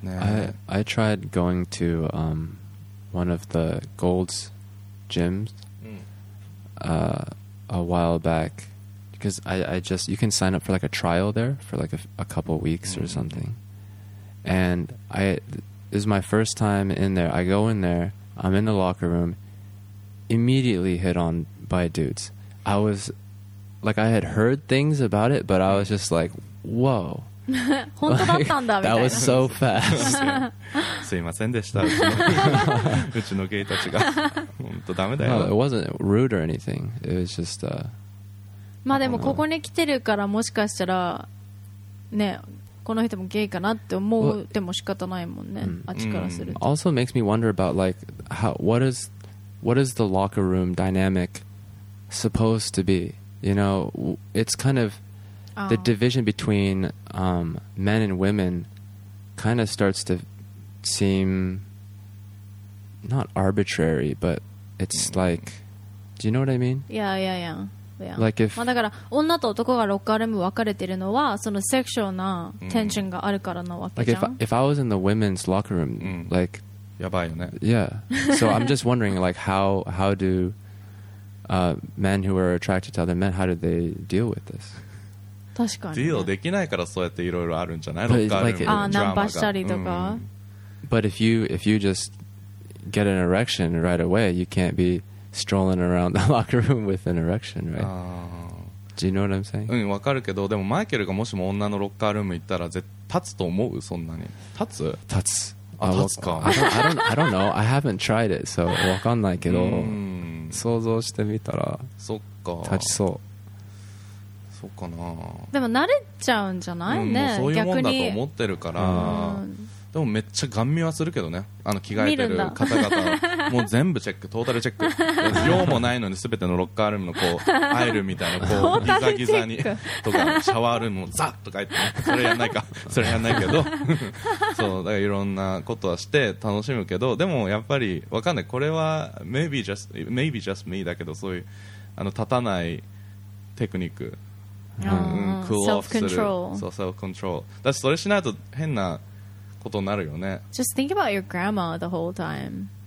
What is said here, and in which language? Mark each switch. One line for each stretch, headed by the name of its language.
English: I tried going to one of the Gold's gyms a while back, because I just you can sign up for like a trial there for like a couple weeks or something, and this is my first time in there. I go in there, I'm in the locker room, immediately hit on by dudes. I was like, I had heard things about it, but I was just like, whoa.
Japanese: 本当だったんだ、like, みたいな。
English: That was so fast.
Japanese: すいませんでした。うちのゲイたちが本当ダメだよ。
English: No, it wasn't rude or anything. It was just
Japanese: まあでもここに来てるから、もしかしたらね、この人もゲイかなって思っても仕方ないもんね。 Well, あっちからすると。
English: Also makes me wonder about like what is the locker room dynamic supposed to be? You know, it's kind ofThe division between men and women kind of starts to seem not arbitrary, but it's like, do you know what I mean? Yeah. Like if,
Japanese: まあだから女と男がロッカールーム分かれてるのはそのセクシュアルなテンションがあるからなわけじゃん。
English: Like if I was in the women's locker room, like,
Japanese: やばいよね。
English: Yeah. So I'm just wondering, like, how do men who are attracted to other men, how do they deal with this?
Japanese: 確かにね、ディールできないからそうやっていろいろあるんじゃない、ロッカールームナンパしたりとか、
English: But if you just get an erection right away, you can't be strolling around the locker room with an erection, right? Do you know what I'm saying?
Japanese: うん、わかるけど、でもマイケルがもしも女のロッカールーム行ったら絶対立つと思う、そんなに立つ？立つ。あ、立つか。
English: I don't know. I haven't tried it, so
Japanese: わかんないけど、想像してみたら、そっか、立ちそう。そうかな。でも慣れちゃうんじゃない、うん、ね。もうそういうもんだと思ってるから。でもめっちゃ顔見はするけどね、あの着替えてる方々るもう全部チェック、トータルチェック、用もないのに全てのロッカールームのこうアイルみたいなこうギザギザにとかシャワールームもザッとか言って、ね、それやんないかそれやんないけどそうだから、いろんなことはして楽しむけど、でもやっぱりわかんない、これは
English: maybe just me
Japanese: だけど、そういうあの立たないテクニック、クールオフする、そう、セルフコントロール、だしそれしないと変なことになるよね。
English: Just think about your grandma the whole time.